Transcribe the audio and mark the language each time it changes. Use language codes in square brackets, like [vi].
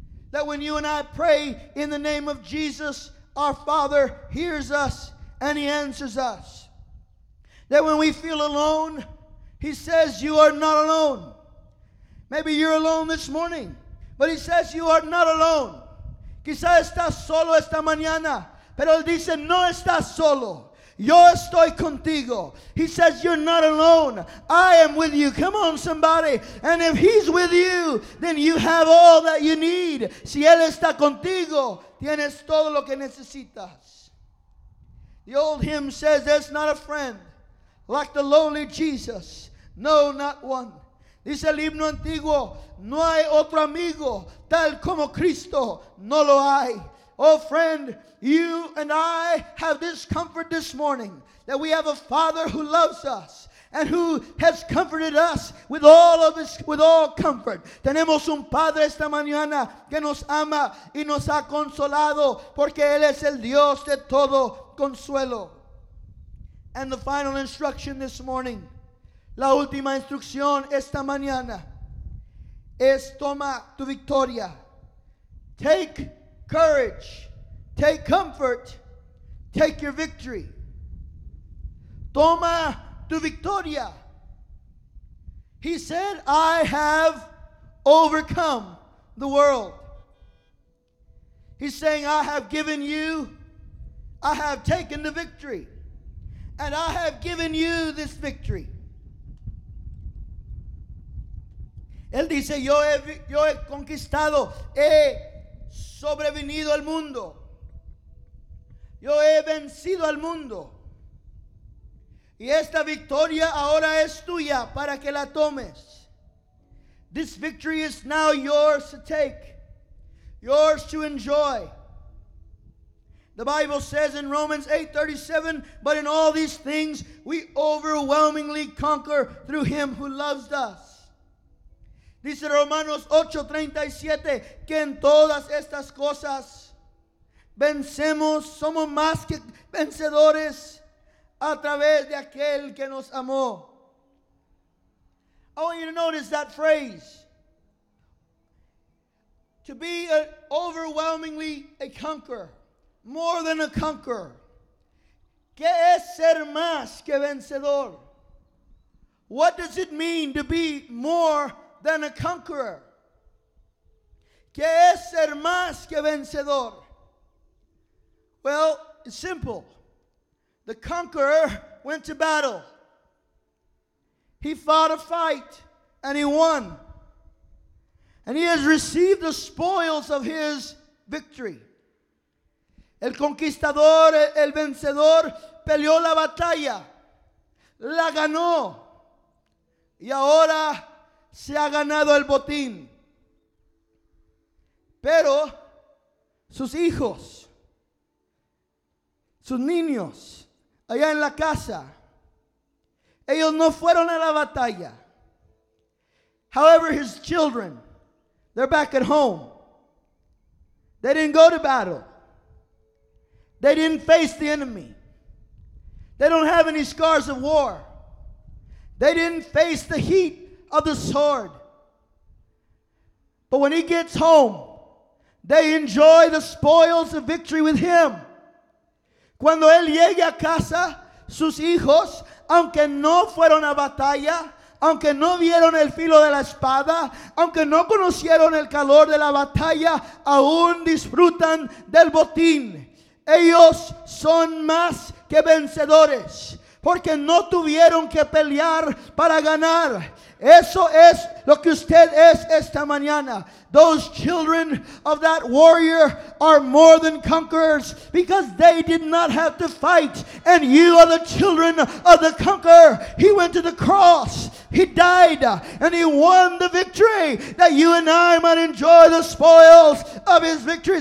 [en] That when you and I pray in the name of Jesus, our Father hears us and he answers us. That when we feel alone, he says, you are not alone. Maybe you're alone this morning, but he says, you are not alone. [es] Quizás estás solo esta mañana, pero él dice, no estás solo. Yo estoy contigo. [en] He says, you're not alone. I am with you. Come on, somebody. And if he's with you, then you have all that you need. [es] Si él está contigo, tienes todo lo que necesitas. [en] The old hymn says, there's not a friend like the lowly Jesus. No, not one. [es] Dice el himno antiguo, no hay otro amigo tal como Cristo. No lo hay. [en] Oh, friend, you and I have this comfort this morning that we have a Father who loves us and who has comforted us with all of his, with all comfort. [es] Tenemos un Padre esta mañana que nos ama y nos ha consolado porque Él es el Dios de todo consuelo. [en] And the final instruction this morning, [es] la última instrucción esta mañana, es toma tu victoria. [en] Take courage. Take comfort, take your victory. [es] Toma tu victoria. [en] He said, I have overcome the world. He's saying, I have given you, I have taken the victory. And I have given you this victory. [es] Él dice, yo he conquistado, he sobrevenido al mundo. Yo he vencido al mundo. Y esta victoria ahora es tuya para que la tomes. [en] This victory is now yours to take, yours to enjoy. The Bible says in Romans 8:37, but in all these things we overwhelmingly conquer through him who loves us. [es] Dice Romanos 8:37, que en todas estas cosas vencemos, somos más que vencedores a través de aquel que nos amó. [en] I want you to notice that phrase. To be an overwhelmingly a conqueror. More than a conqueror. [es] ¿Qué es ser más que vencedor? [en] What does it mean to be more than a conqueror? [es] ¿Qué es ser más que vencedor? [en] Well, it's simple. The conqueror went to battle. He fought a fight and he won. And he has received the spoils of his victory. [es] El conquistador, el vencedor, peleó la batalla, la ganó, y ahora se ha ganado el botín. Pero sus hijos, sus niños, allá en la casa, ellos no fueron a la batalla. [en] However, his children, they're back at home. They didn't go to battle. They didn't face the enemy. They don't have any scars of war. They didn't face the heat of the sword. But when he gets home, they enjoy the spoils of victory with him. [es] Cuando él llega a casa, sus hijos, aunque no fueron a batalla, aunque no vieron el filo de la espada, aunque no conocieron el calor de la batalla, aún disfrutan del botín. Ellos son más que vencedores porque no tuvieron que pelear para ganar. Eso es lo que usted es esta mañana. [en] Those children of that warrior are more than conquerors because they did not have to fight. And you are the children of the conqueror. He went to the cross. He died. And he won the victory that you and I might enjoy the spoils of his victory.